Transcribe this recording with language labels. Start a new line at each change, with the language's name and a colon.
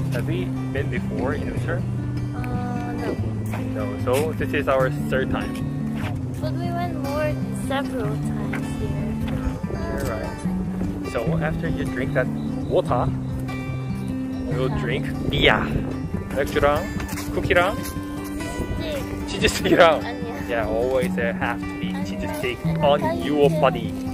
English: Have we been before in winter? No. No, so this is our third time. But we went more several times here. Alright. So after you drink that water, you'll drink beer.
Korean: 맥주랑 쿠키랑 치즈 스틱이랑.
English: Yeah, always have to be cheese stick on your body.